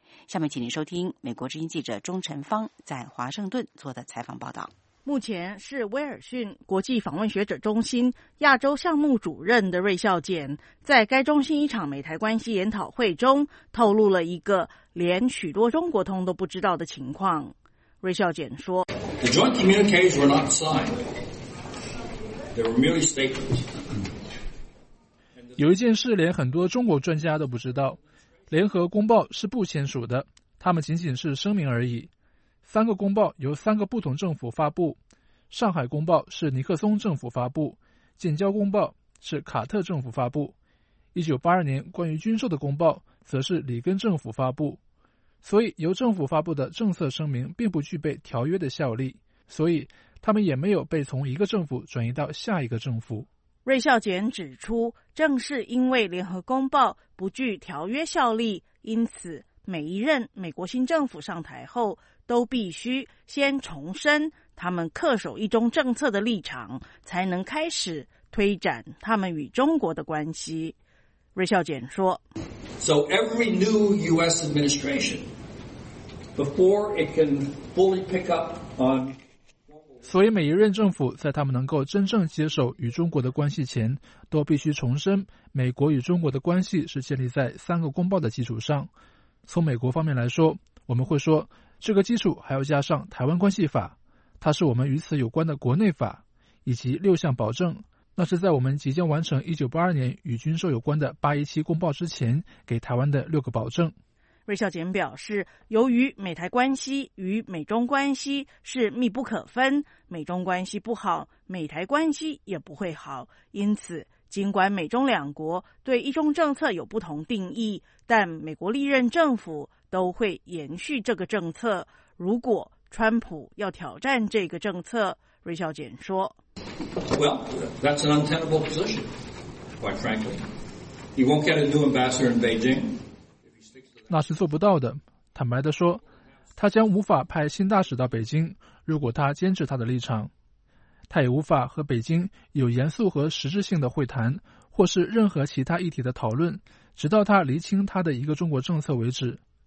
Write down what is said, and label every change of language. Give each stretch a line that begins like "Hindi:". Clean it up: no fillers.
Chinese: 下面请您收听美国之音记者钟晨芳在华盛顿做的采访报道。目前是威尔逊国际访问学者中心亚洲项目主任的芮孝俭，在该中心一场美台关系研讨会中透露了一个连许多中国通都不知道的情况。芮孝俭说
English: The joint communiques were not signed. They were merely statements.
Chinese: 有一件事连很多中国专家都不知道，联合公报是不签署的，他们仅仅是声明而已。三个公报由三个不同政府发布，上海公报是尼克松政府发布，建交公报是卡特政府发布，1982年关于军售的公报则是里根政府发布，所以由政府发布的政策声明并不具备条约的效力，所以他们也没有被从一个政府转移到下一个政府。芮孝俭指出，正是因为联合公报不具条约效力，因此每一任美国新政府上台后都必须先重申他们恪守一中政策的立场，才能开始推展他们与中国的关系。芮孝俭说
English: So every new US administration before it can fully pick up on
Chinese: 所以每一任政府在他们能够真正接受与中国的关系前，都必须重申美国与中国的关系是建立在三个公报的基础上。从美国方面来说，我们会说这个基础还要加上台湾关系法，它是我们与此有关的国内法，以及六项保证，那是在我们即将完成1982年与军售有关的817公报之前给台湾的六个保证。芮孝俭表示，由于美台关系与美中关系是密不可分，美中关系不好，美台关系也不会好，因此尽管美中两国对一中政策有不同定义，但美国历任政府都会延续这个政策。如果川普要挑战这个政策，芮孝俭说
English: Well, that's an untenable position, quite frankly. You won't get a new ambassador in Beijing.
Chinese: 那是做不到的。坦白地说，他将无法派新大使到北京，如果他坚持他的立场。他也无法和北京有严肃和实质性的会谈，或是任何其他议题的讨论，直到他厘清他的一个中国政策为止。